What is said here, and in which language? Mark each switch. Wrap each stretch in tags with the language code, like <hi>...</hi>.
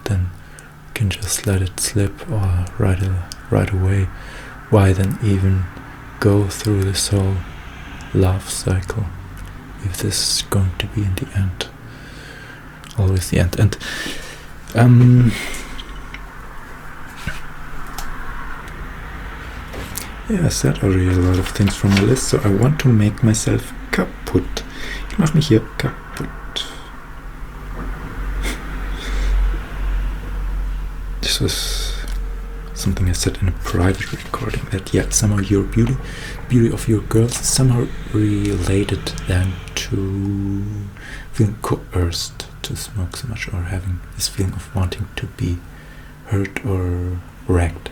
<en>Then we can just let it slip, or right away, why then even go through this whole love cycle if this is going to be in the end always the end. And yeah, I said already a lot of things from the list, so I want to make myself kaputt.</en> <de>Ich mach mich hier kaputt.</de> <en>This was something I said in a private recording, that yet somehow your beauty of your girls is somehow related then to feeling coerced to smoke so much, or having this feeling of wanting to be hurt or wrecked.</en>